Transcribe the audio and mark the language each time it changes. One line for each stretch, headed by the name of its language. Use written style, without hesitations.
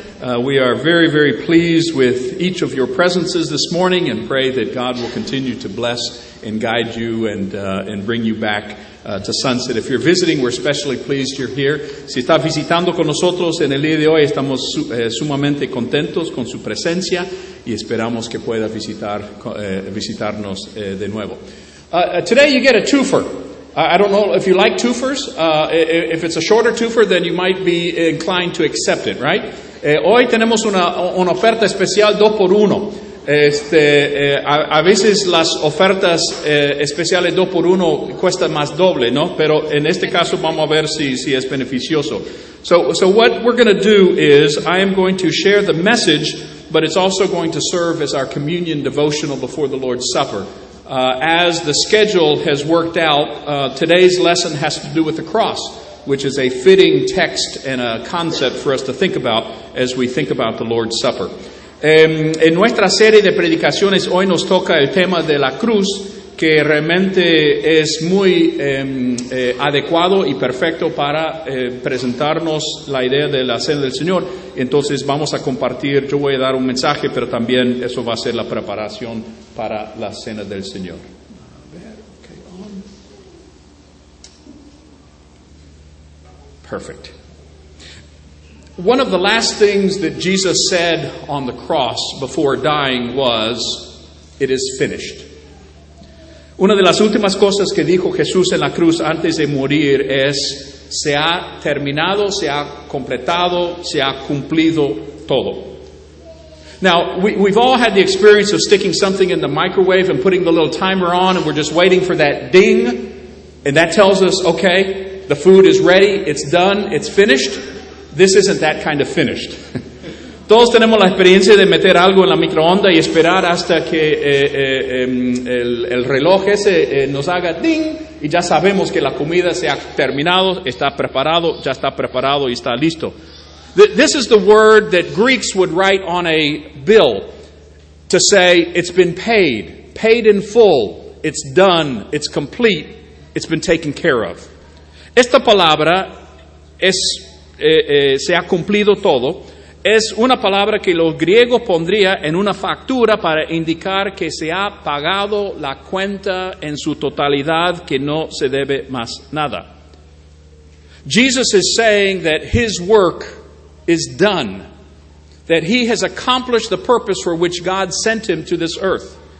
English: We are very, very pleased with each of your presences this morning and pray that God will continue to bless and guide you and bring you back to Sunset. If you're visiting, we're especially pleased you're here.
Spanish: Si está visitando con nosotros en el día de hoy, estamos sumamente contentos con su presencia y esperamos que pueda visitarnos de nuevo.
English: Today you get a twofer. I don't know if you like twofers. If it's a shorter twofer, then you might be inclined to accept it, right?
Spanish: Hoy tenemos una oferta especial dos por uno. A veces las ofertas especiales dos por uno cuestan más doble, ¿no? Pero en este caso vamos a ver si es beneficioso.
English: So what we're going to do is I am going to share the message, but it's also going to serve as our communion devotional before the Lord's Supper. As the schedule has worked out, today's lesson has to do with the cross, which is a fitting text and a concept for us to think about as we think about the Lord's Supper.
Spanish: En nuestra serie de predicaciones, hoy nos toca el tema de la cruz, que realmente es muy adecuado y perfecto para presentarnos la idea de la cena del Señor. Entonces vamos a compartir, yo voy a dar un mensaje, pero también eso va a ser la preparación para la cena del Señor.
English: Perfect. One of the last things that Jesus said on the cross before dying was, "It is finished."
Spanish: Una de las últimas cosas que dijo Jesús en la cruz antes de morir es, "Se ha terminado, se ha completado, se ha cumplido todo."
English: Now, we've all had the experience of sticking something in the microwave and putting the little timer on, and we're just waiting for that ding, and that tells us, okay, the food is ready, it's done, it's finished. This isn't that kind of finished.
Spanish: Todos tenemos la experiencia de meter algo en la microonda y esperar hasta que el reloj ese nos haga ding, y ya sabemos que la comida se ha terminado, está preparado, ya está preparado y está listo.
English: This is the word that Greeks would write on a bill to say it's been paid, paid in full, it's done, it's complete, it's been taken care of.
Spanish: Esta palabra es se ha cumplido todo. Es una palabra que los griegos pondrían en una factura para indicar que se ha pagado la cuenta en su totalidad, que no se debe más nada.
English: Jesus is saying that his work is done, that he has accomplished the purpose for which God sent him to this earth.